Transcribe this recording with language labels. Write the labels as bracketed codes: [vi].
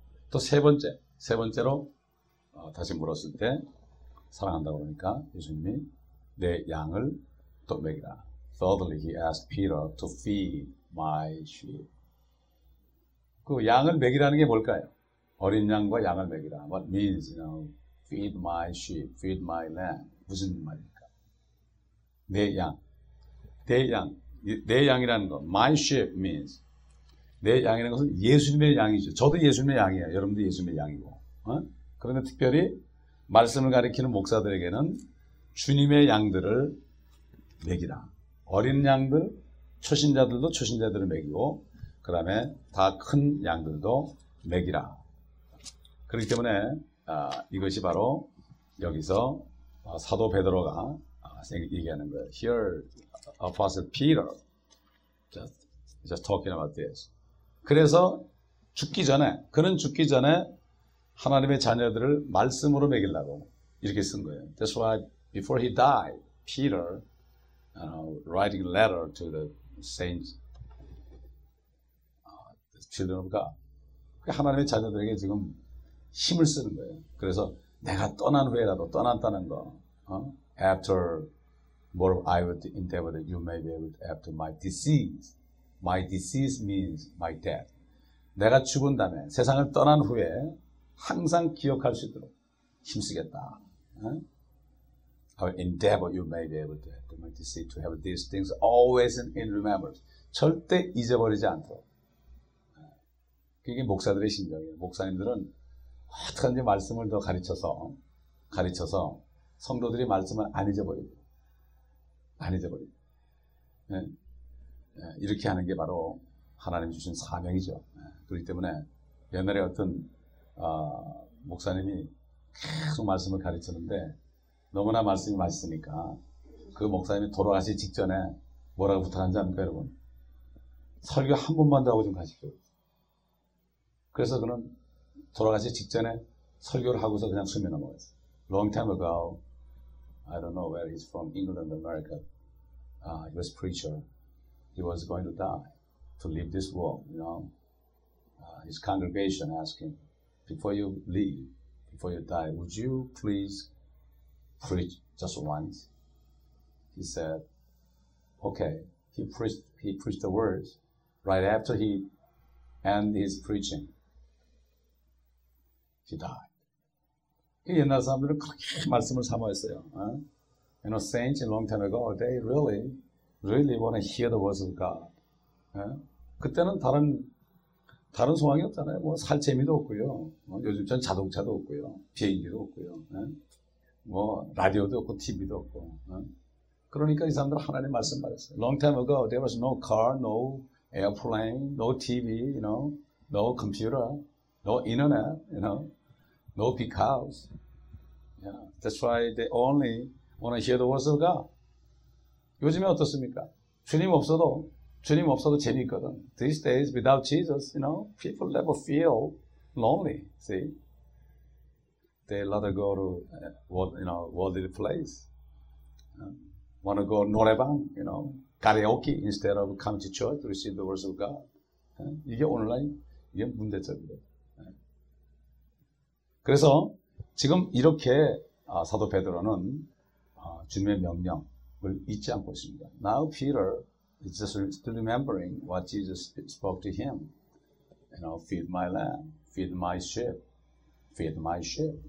[ko] 또 세 번째로 다시 물었을 때 사랑한다고 그러니까 예수님이 내 양을 또 먹이라. [en] Thirdly, he asked Peter to feed my sheep. [ko] 그 양을 먹이라는 게 뭘까요? 어린 양과 양을 먹이라. [en] What means, you know, feed my sheep, feed my lamb. [ko] 무슨 말입니까? 내 양. 내 양. 내 양이라는 거. [en] My sheep means. [ko] 내 양이라는 것은 예수님의 양이죠. 저도 예수님의 양이에요. 여러분도 예수님의 양이고. 어? 그런데 특별히 말씀을 가리키는 목사들에게는 주님의 양들을 먹이라. 어린 양들, 초신자들도 초신자들을 먹이고, 그 다음에 다 큰 양들도 먹이라. 그렇기 때문에 이것이 바로 여기서 사도 베드로가 얘기하는 거예요. [en] Here, Apostle Peter just talking about this. [ko] 그래서 죽기 전에, 그는 죽기 전에 하나님의 자녀들을 말씀으로 먹이려고 이렇게 쓴 거예요. [en] That's why before he died, Peter writing a letter to the saints, the children of God. [ko] 하나님의 자녀들에게 지금 힘을 쓰는 거예요. 그래서 내가 떠난 후에라도 떠났다는 거. 어? [en] After more I would endeavor that you may be able to, after my disease. My disease means my death. [ko] 내가 죽은 다음에 세상을 떠난 후에 항상 기억할 수 있도록 힘쓰겠다. [en] 어? I would endeavor you may be able to after my disease to have these things always in remembrance. [ko] 절대 잊어버리지 않도록. 그게 목사들의 심정이에요. 목사님들은 어떻게든지 말씀을 더 가르쳐서 성도들이 말씀을 안 잊어버리고 이렇게 하는 게 바로 하나님 주신 사명이죠. 그렇기 때문에 옛날에 어떤 목사님이 계속 말씀을 가르쳤는데 너무나 말씀이 맛있으니까 그 목사님이 돌아가시기 직전에 뭐라고 부탁한지 압니까 여러분? 설교 한 번만 더 하고 좀 가십시오. 그래서 그는 돌아가시기 직전에 설교를 하고서 그냥 숨이 넘어갔어요. [en] Long time ago, I don't know where he's from, England, America. He was a preacher. He was going to die, to leave this world, you know. His congregation asked him, before you leave, before you die, would you please preach just once? He said, okay. He preached the words right after he ended his preaching. He died. [ko] 옛날 사람들은 그렇게 말씀을 사모했어요. [en] You know, saints a long time ago, they really, really want to hear the words of God. [ko] 그때는 다른 소망이 없잖아요. 뭐 살 재미도 없고요. 요즘 전 자동차도 없고요. 비행기도 없고요. 뭐 라디오도 없고 TV도 없고. 그러니까 이 사람들은 하나님 말씀 말했어요. [en] Long time ago, there was no car, no airplane, no TV, you know, no computer. No internet, you know, no big house. Yeah. That's why they only want to hear the words of God. [ko] 요즘에 어떻습니까? 주님 없어도 재미있거든. [en] These days, without Jesus, you know, people never feel lonely, see? They rather go to, you know, worldly place. Want to go 노래방, you know, karaoke instead of come to church to receive the words of God. Yeah. [ko] 이게 오늘날, 이게 문제점이에요. 그래서 지금 이렇게 사도 베드로는 주님의 명령을 잊지 않고 있습니다. [en] Now Peter is just remembering what Jesus spoke to him. You know, feed my lamb, feed my sheep, feed my sheep.